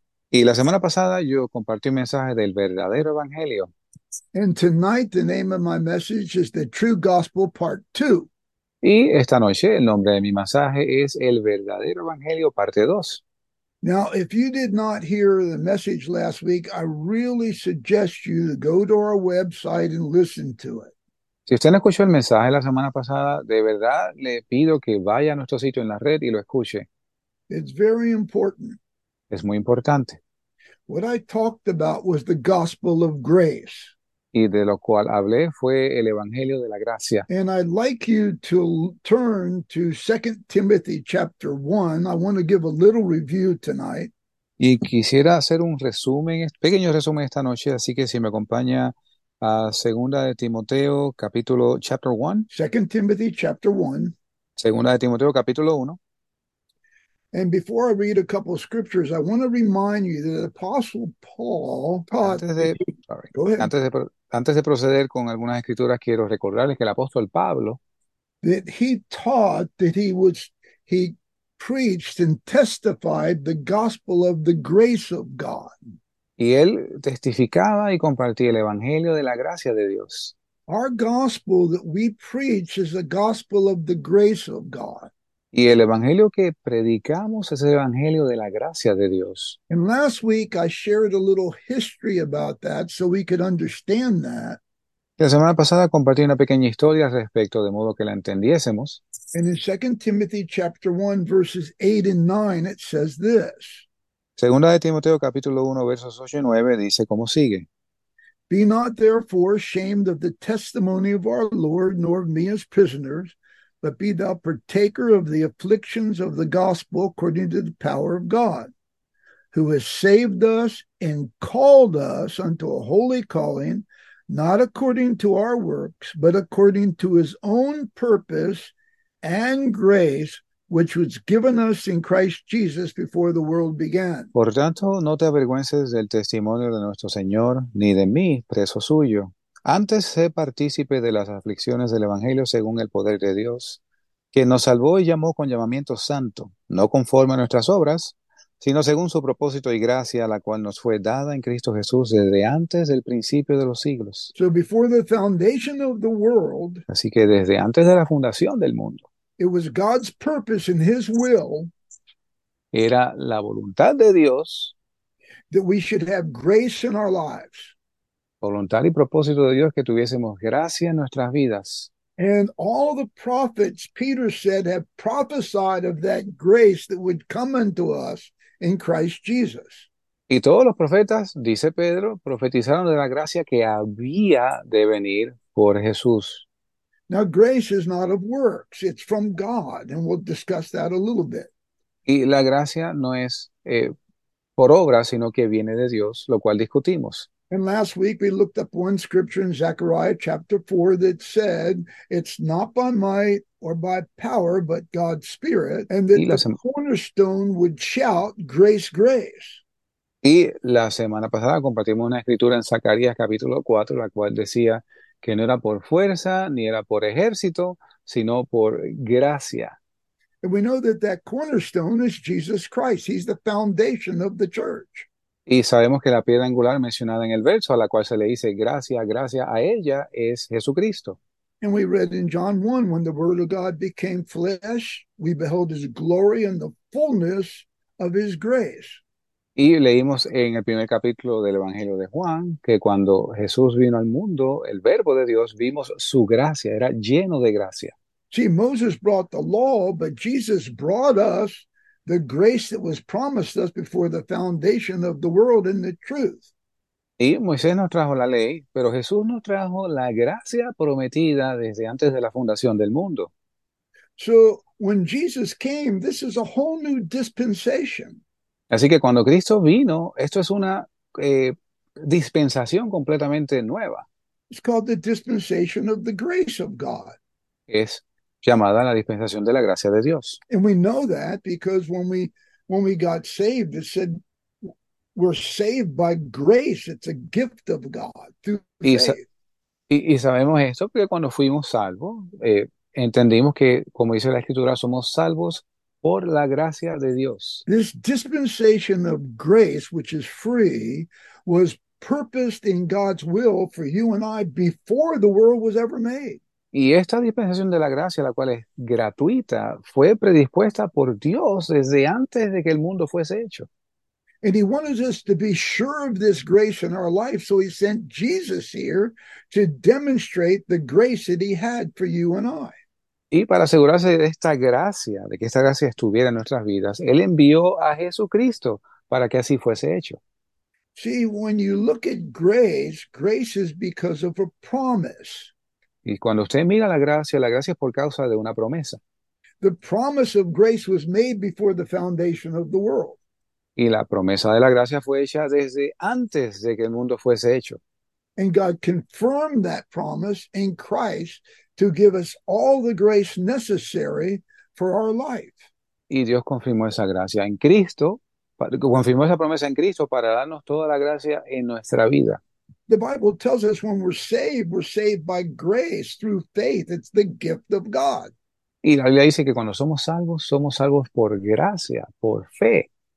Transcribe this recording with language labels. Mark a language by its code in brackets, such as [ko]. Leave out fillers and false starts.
[es] Y la semana pasada yo compartí un mensaje del verdadero evangelio. [en] And tonight, the name of my message is the True Gospel Part Two. [es] Y esta noche el nombre de mi mensaje es El Verdadero Evangelio, parte 2. [en] Now, if you did not hear the message last week, I really suggest you to go to our website and listen to it. [es] Si usted no escuchó el mensaje la semana pasada, de verdad le pido que vaya a nuestro sitio en la red y lo escuche. [en] It's very important. [es] Es muy importante. [en] What I talked about was the gospel of grace. [es] Y de lo cual hablé fue el Evangelio de la Gracia. [en] And I'd like you to turn to 2 Timothy chapter 1. I want to give a little review tonight. [es] Y quisiera hacer un resumen, pequeño resumen esta noche, así que si me acompaña a Segunda de Timoteo, capítulo, [en] chapter 1. 2 Timothy chapter 1. [es] Segunda de Timoteo, capítulo 1. [en] And before I read a couple of scriptures, I want to remind you that the Apostle Paul taught [es] Antes [en] that [es] de, [en] you... sorry, Go ahead. [es] antes de proceder con algunas escrituras, quiero recordarles que el apóstol Pablo [en] That he taught that he preached and testified the gospel of the grace of God. [es] y él testificaba y compartía el evangelio de la gracia de Dios. [en] Our gospel that we preach is the gospel of the grace of God. [es] Y el evangelio que predicamos es el evangelio de la gracia de Dios. [en] And last week I shared a little history about that so we could understand that. [es] La semana pasada compartí una pequeña historia al respecto, de modo que la entendiésemos. [en] And in 2 Timothy chapter 1, verses 8 and 9, it says this. [es] Segunda de Timoteo, capítulo 1, versos 8 y 9, dice como sigue. [en] Be not therefore ashamed of the testimony of our Lord, nor of me as prisoners, but be thou partaker of the afflictions of the gospel according to the power of God, who has saved us and called us unto a holy calling, not according to our works, but according to his own purpose and grace, which was given us in Christ Jesus before the world began. [es] Por tanto, no te avergüences del testimonio de nuestro Señor, ni de mí, preso suyo. Antes sé partícipe de las aflicciones del Evangelio según el poder de Dios, que nos salvó y llamó con llamamiento santo, no conforme a nuestras obras, sino según su propósito y gracia, la cual nos fue dada en Cristo Jesús desde antes del principio de los siglos. [en] So before the foundation of the world, [es] Así que desde antes de la fundación del mundo, [en] it was God's purpose and his will [es] era la voluntad de Dios, [en] that we should have grace in our lives. [es] Voluntad y propósito de Dios que tuviésemos gracia en nuestras vidas. [en] And all the prophets, Peter said, have prophesied of that grace that would come unto us in Christ Jesus. [es] Y todos los profetas, dice Pedro, profetizaron de la gracia que había de venir por Jesús. [en] Now, grace is not of works. It's from God, and we'll discuss that a little bit. [es] Y la gracia no es por obra, sino que viene de Dios, lo cual discutimos. [en] And last week, we looked up one scripture in Zechariah chapter 4 that said, it's not by might or by power, but God's spirit, and that the cornerstone would shout, grace, grace. [es] Y la semana pasada compartimos una escritura en Zacarías capítulo 4, la cual decía que no era por fuerza ni era por ejército, sino por gracia. [en] And we know that that cornerstone is Jesus Christ. He's the foundation of the church. [es] Y sabemos que la piedra angular mencionada en el verso a la cual se le dice gracia, gracia a ella es Jesucristo. [en] And we read in John 1, when the word of God became flesh, we beheld his glory and the fullness of his grace. [es] Y leímos en el primer capítulo del Evangelio de Juan que cuando Jesús vino al mundo, el Verbo de Dios, vimos su gracia, era lleno de gracia. [en] See, Moses brought the law, but Jesus brought us the grace that was promised us before the foundation of the world in the truth. [es] Y Moisés nos trajo la ley, pero Jesús nos trajo la gracia prometida desde antes de la fundación del mundo. [en] So, when Jesus came, this is a whole new dispensation. [es] Así que cuando Cristo vino, esto es una dispensación completamente nueva. [en] It's called the dispensation of the grace of God. [es] Es llamada la dispensación de la gracia de Dios. [en] And we know that because when we got saved, it said we're saved by grace. It's a gift of God through faith. [es] Y sabemos esto porque cuando fuimos salvos, entendimos que, como dice la Escritura, somos salvos por la gracia de Dios. [en] This dispensation of grace, which is free, was purposed in God's will for you and I before the world was ever made. [es] Y esta dispensación de la gracia, la cual es gratuita, fue predispuesta por Dios desde antes de que el mundo fuese hecho. [en] And he wanted us to be sure of this grace in our life, so he sent Jesus here to demonstrate the grace that he had for you and I. [es] Y para asegurarse de esta gracia, de que esta gracia estuviera en nuestras vidas, él envió a Jesucristo para que así fuese hecho. [en] See, when you look at grace, grace is because of a promise. [es] Y cuando usted mira la gracia es por causa de una promesa. [en] The promise of grace was made before the foundation of the world. [es] Y la promesa de la gracia fue hecha desde antes de que el mundo fuese hecho. [en] And God confirmed that promise in Christ to give us all the grace necessary for our life. [es] Y Dios confirmó esa gracia en Cristo, confirmó esa promesa en Cristo para darnos toda la gracia en nuestra vida. [en] The Bible tells us when we're saved by grace through faith. It's the gift of God. [es] Y la Biblia dice que cuando somos salvos por gracia, por fe.